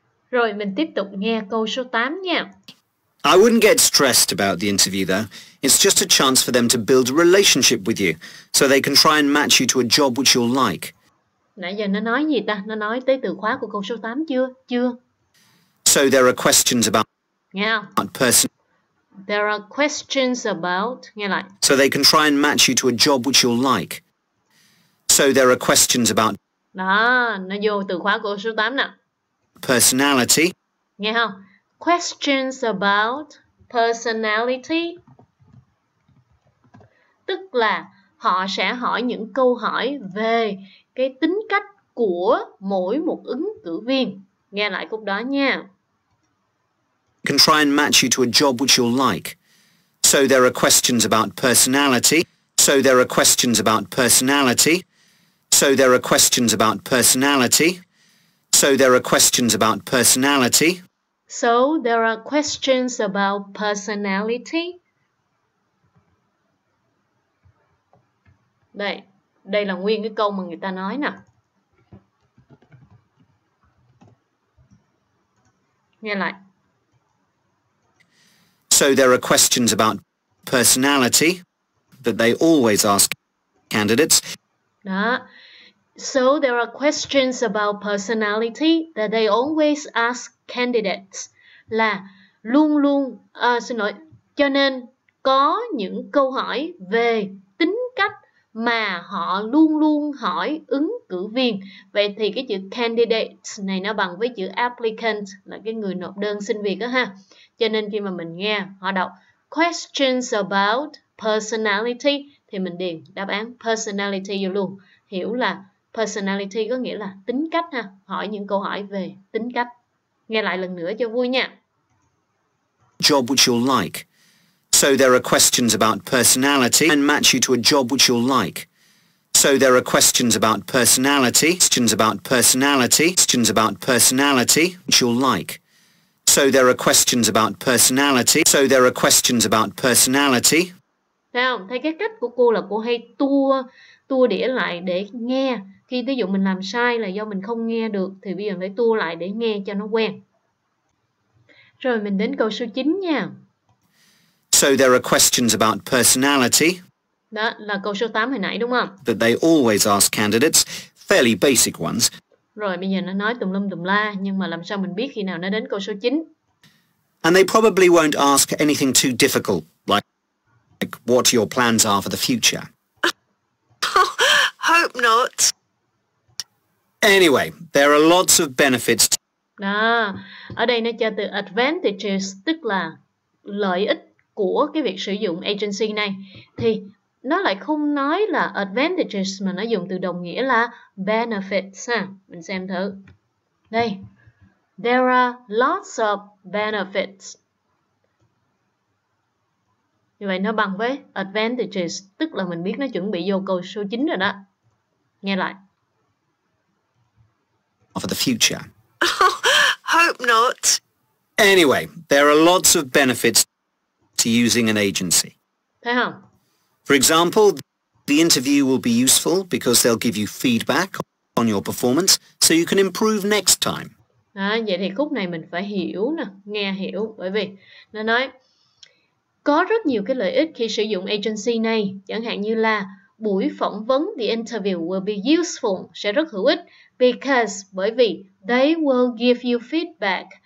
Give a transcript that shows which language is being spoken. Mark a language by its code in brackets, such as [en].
[vi] Rồi mình tiếp tục nghe câu số 8 nha. [en] I wouldn't get stressed about the interview, though. It's just a chance for them to build a relationship with you, so they can try and match you to a job which you'll like. [vi] Nãy giờ nó nói gì ta? Nó nói tới từ khóa của câu số 8 chưa? Chưa. [en] So there are questions about... [vi] Nghe không? [en] Person. There are questions about... [vi] Nghe lại. [en] So they can try and match you to a job which you'll like. So there are questions about... [vi] Đó, nó vô từ khóa của câu số 8 nè. [en] Personality. [vi] Nghe không? [en] Questions about personality. [vi] Tức là họ sẽ hỏi những câu hỏi về cái tính cách của mỗi một ứng cử viên. Nghe lại khúc đó nha. [en] Can try and match you to a job which you'll like. So there are questions about personality. So there are questions about personality. So there are questions about personality. So there are questions about personality. So there are questions about personality. [vi] Đây, đây là nguyên cái câu mà người ta nói nè. Nghe lại. [en] So there are questions about personality that they always ask candidates. [vi] Đó. [en] So there are questions about personality that they always ask candidates. [vi] Là luôn luôn, xin lỗi, cho nên có những câu hỏi về tính cách mà họ luôn luôn hỏi ứng cử viên. Vậy thì cái chữ candidates này nó bằng với chữ applicant, là cái người nộp đơn xin việc đó ha. Cho nên khi mà mình nghe họ đọc [en] questions about personality [vi] thì mình điền đáp án personality vô luôn. Hiểu là personality có nghĩa là tính cách ha. Hỏi những câu hỏi về tính cách. Nghe lại lần nữa cho vui nha. [en] Job which you'll like. So there are questions about personality and match you to a job which you'll like. So there are questions about personality, questions about personality, questions about personality which you'll like. So there are questions about personality. So there are questions about personality. [vi] Thấy không? Thấy cái cách của cô là cô hay tua đĩa lại để nghe. Khi ví dụ mình làm sai là do mình không nghe được, thì bây giờ phải tua lại để nghe cho nó quen. Rồi mình đến câu số 9 nha. [en] So there are questions about personality. [vi] Đó là câu số 8 hồi nãy đúng không? [en] That they always ask candidates, fairly basic ones. [vi] Rồi bây giờ nó nói tùm lum tùm la, nhưng mà làm sao mình biết khi nào nó đến câu số 9? [en] And they probably won't ask anything too difficult, like what your plans are for the future. Hope not. Anyway, there are lots of benefits. [vi] Đó, ở đây nó cho từ advantages, tức là lợi ích của cái việc sử dụng agency này. Thì nó lại không nói là advantages mà nó dùng từ đồng nghĩa là benefits ha. Mình xem thử. Đây, [en] there are lots of benefits. [vi] Như vậy nó bằng với advantages, tức là mình biết nó chuẩn bị vô câu số 9 rồi đó. Nghe lại. [en] For the future. Hope not. Anyway, there are lots of benefits to using an agency. [vi] Thấy không? [en] For example, the interview will be useful because they'll give you feedback on your performance so you can improve next time. [vi] À, vậy thì khúc này mình phải hiểu nè, nghe hiểu. Bởi vì nó nói có rất nhiều cái lợi ích khi sử dụng agency này. Chẳng hạn như là buổi phỏng vấn, [en] the interview will be useful, [vi] sẽ rất hữu ích. [en] Because, [vi] bởi vì, [en] they will give you feedback.